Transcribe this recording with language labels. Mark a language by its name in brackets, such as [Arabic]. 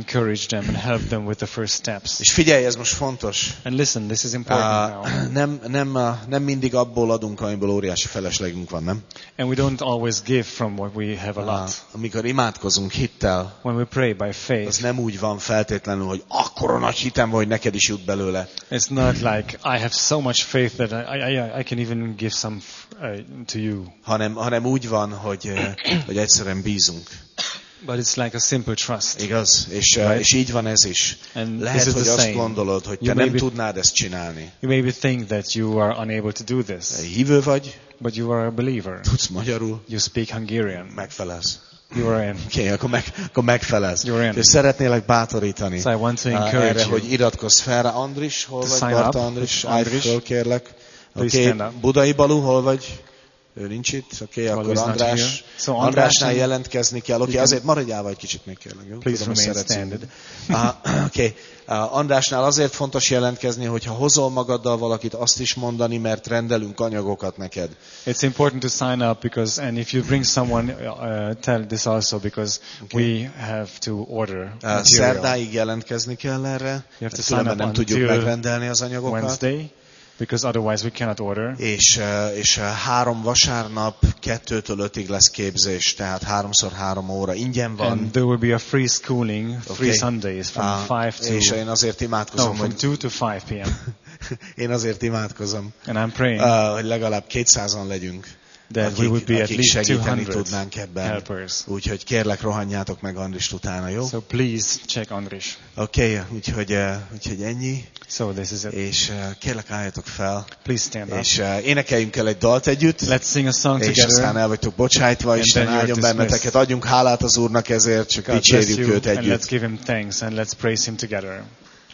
[English] Encourage them and help them with the first steps. [Hungarian] És figyelj, ez most fontos. [English] And listen, this is important now. [Hungarian] Nem mindig abból adunk, amiből óriási feleslegünk van, nem? [English] And we don't always give from what we have a lot. [Hungarian] Amikor imádkozunk hittel, [English] when we pray by faith, [Hungarian] az nem úgy van feltétlenül, hogy akkora nagy hitem, hogy neked is jut belőle. [English] Not like I have so much faith that I can even give some to you. [Hungarian] Hanem úgy van, hogy egyszerűen bízunk. [English] But it's like a simple trust. [Hungarian] Igaz, és így van ez is. [English] And [Hungarian] lehet, hogy [English] same. [Hungarian] Azt gondolod, hogy te nem tudnád ezt csinálni. [English] You maybe think that you are unable to do this. [Hungarian] Hívő vagy, [English] but you are a believer. [Hungarian] Tudsz magyarul. [English] You speak Hungarian. [Hungarian] Megfelelsz. [English] You are in. [Hungarian] Okay, akkor megfelelsz. [English] You are in. [Hungarian] És szeretnélek bátorítani. [English] So I want to encourage you. [Hungarian] Erre, hogy iratkozz fel. Andris, hol vagy? Barta Andris, állj föl, kérlek. Okay, Budai Balú, hol vagy? Ő nincs itt. Okay, akkor András. [English] So [Hungarian] Andrásnál jelentkezni kell. Okay, azért maradjál vagy kicsit még, kérlek. Jó? [English] Please remain standard. Okay. [Hungarian] Andrásnál azért fontos jelentkezni, hogyha hozol magaddal valakit, azt is mondani, mert rendelünk anyagokat neked. [English] It's important to sign up because and if you bring someone tell this also because okay. We have to order. [Hungarian] Szerdáig jelentkezni kell erre. Különben nem tudjuk megrendelni az anyagokat. [English] Wednesday. Because otherwise we cannot order. [Hungarian] És három vasárnap 2-től 5-ig lesz képzés, tehát 3x3 óra ingyen van. [English] And there will be a free schooling, free okay. Sundays from 5 to. [Hungarian] És én azért imádkozom, [English] no, from 2 to 5 p.m. [Hungarian] Én azért imádkozom. [English] And I'm praying. [Hungarian] Hogy legalább 200-an legyünk. [English] That we would be at least [Hungarian] 200 tudnánk ebben. [English] Helpers. [Hungarian] Úgyhogy kérlek, rohanjátok meg Andrist utána, jó? [English] So please check Andris. [Hungarian] Okay, úgyhogy ennyi. [English] So this is it. [Hungarian] És kérlek, álljatok fel. [English] Please stand up. [Hungarian] És énekeljünk el egy dalt együtt. [English] Let's sing a song together. [Hungarian] És aztán el vagytok bocsájtva, Isten áldjon benneteket. Adjunk hálát az Úrnak ezért, csak dicsérjük őt együtt. [English] And let's give him thanks and let's praise him together.